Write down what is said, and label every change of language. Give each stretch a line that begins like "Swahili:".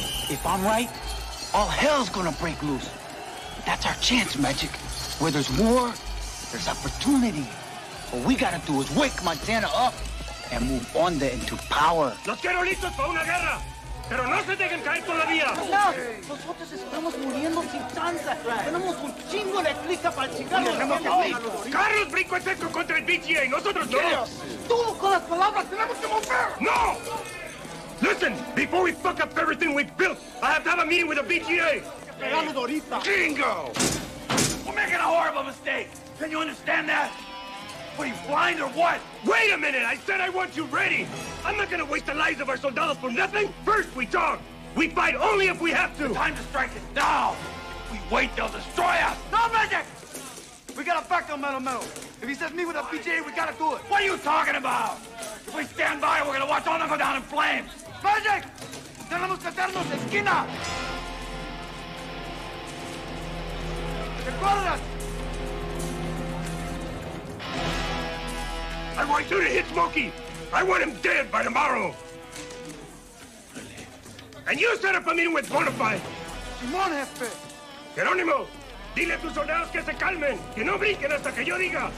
English: If I'm right, all hell's gonna break loose. That's our chance, Magic. Where there's war, there's opportunity. What we gotta do is wake Montana up and move Onda into power.
Spanish: Los quiero listos para una guerra, pero no se dejen caer todavía. Nosotros estamos muriendo sin chance. Tenemos un chingo de clica para chingar los enemigos. Carlos brinco el cerco contra el BGA, nosotros no. Tú con las palabras, tenemos que mover. No!
English: Listen, before we fuck up everything we've built, I have to have a meeting with the BGA. Jingo! We're making a horrible mistake. Can you understand that? What, are you blind or what? Wait a minute, I said I want you ready. I'm not gonna waste the lives of our soldados for nothing. First, we talk. We fight only if we have to. The time to strike is now. If we wait, they'll destroy us. No, Magic! We gotta fuck them, Metal. If he says meet with a BGA, we gotta do it. What are you talking about? If we stand by, we're gonna watch all of them go down in flames. Magic!
Spanish: Tenemos que hacernos esquina! Recuerdas?
English: I want you to hit Smokey. I want him dead by tomorrow. And you set up a meeting with Bonafide.
Spanish: Simón, jefe. Jerónimo. Dile a tus soldados que se calmen, que no brinquen hasta que yo diga.